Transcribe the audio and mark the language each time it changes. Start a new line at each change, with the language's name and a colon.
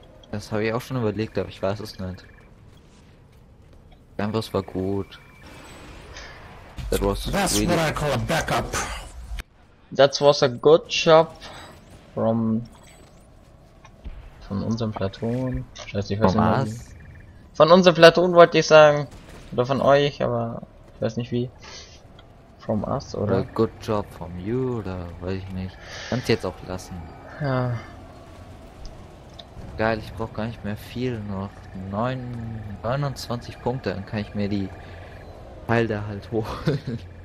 German: Das habe ich auch schon überlegt, aber ich weiß es nicht. Das war gut.
English: That was That's really what I call a backup. That was a good shop from
German: von unserem Platoon. Scheiße, ich weiß von nicht. Was? Von unserem Platoon wollte ich sagen. Oder von euch, aber ich weiß nicht wie.
English: From us
German: oder.
English: A good job from you
German: oder weiß ich nicht. Kannst jetzt auch lassen. Ja. Geil, ich brauche gar nicht mehr viel, noch 29 Punkte, dann kann ich mir die Teil da halt holen.